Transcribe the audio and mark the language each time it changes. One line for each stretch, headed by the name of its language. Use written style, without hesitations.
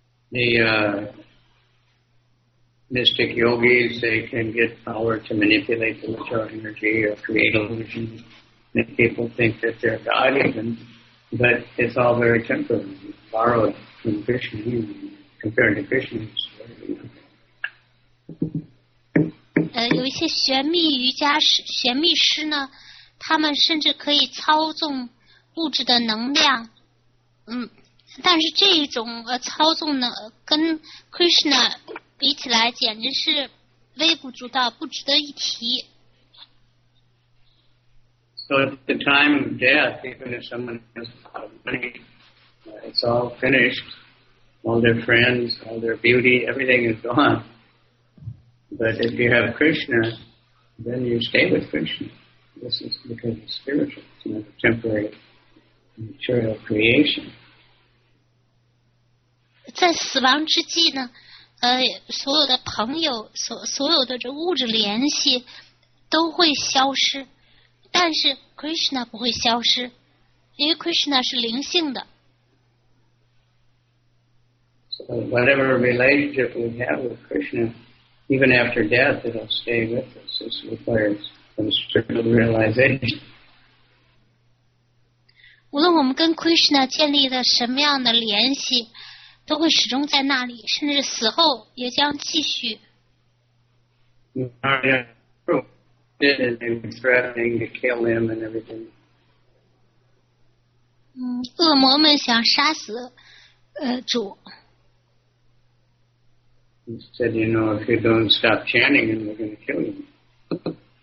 English: The mystic yogis, they can get power to manipulate the material energy or create illusions, make people think that they're God even, but it's all very temporary, borrowed from Krishna, compared to Krishna's.
Chinese: 有一些玄秘瑜伽师、玄秘师呢，他们甚至可以操纵物质的能量，但是这一种操纵呢，跟 Krishna 比起来，简直是微不足道，不值得一提。
English: So at the time of death, even if someone has money, it's all finished. All their friends, all their beauty, everything is gone. But if you have Krishna, then you stay with Krishna. This is because it's spiritual. It's not a temporary material creation.
Chinese: 在死亡之际呢，所有的朋友，所有的这物质联系都会消失，但是 Krishna 不会消失，因为 Krishna 是灵性的。
English: So whatever relationship we have with Krishna,Even after death, it'll stay with us. This requires some spiritual realization.
Chinese: 无论我们跟 Krishna 建立的什么样的联系，都会始终在那里，甚至死后也将继续。
English: Maya did, and they were threatening to kill him and everything.
Chinese: 恶魔们想杀死主。
English: He said, you know, if you don't stop chanting, then we're going to kill you.